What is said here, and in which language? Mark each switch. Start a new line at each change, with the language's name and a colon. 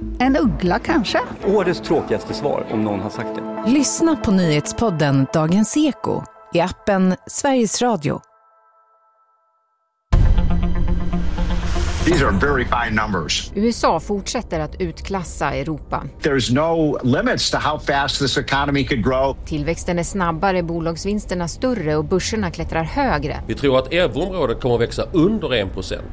Swedish: En uggla kanske? Årets tråkigaste svar om någon har sagt det. Lyssna på nyhetspodden Dagens Eko i appen Sveriges Radio.
English: These are very fine numbers.
Swedish: USA fortsätter att utklassa Europa.
English: There's no limits to how fast this economy could grow.
Swedish: Tillväxten är snabbare, bolagsvinsterna större och börserna klättrar högre. Vi tror att euroområdet kommer att växa under 1%.